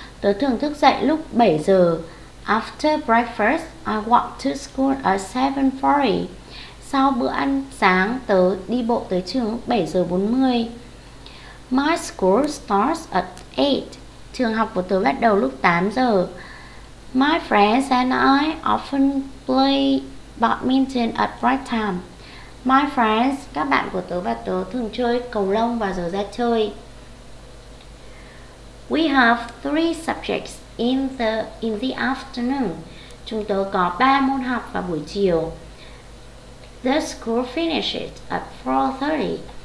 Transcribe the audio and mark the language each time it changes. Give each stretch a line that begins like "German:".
Vietnamese: Tớ thường thức dậy lúc 7 giờ.
English: After breakfast, I walk to school at 7:40.
Vietnamese: Sau bữa ăn sáng, tớ đi bộ tới trường 7:40.
English: My school starts at 8.
Vietnamese: Trường học của tớ bắt đầu lúc 8 giờ.
English: My friends and I often play badminton at break time. My friends,
Vietnamese: các bạn của tớ và tớ thường chơi cầu lông vào giờ ra chơi.
English: We have 3 subjects in the afternoon.
Vietnamese: Chúng tớ có 3 môn học vào buổi chiều.
English: The school finishes at 4:30.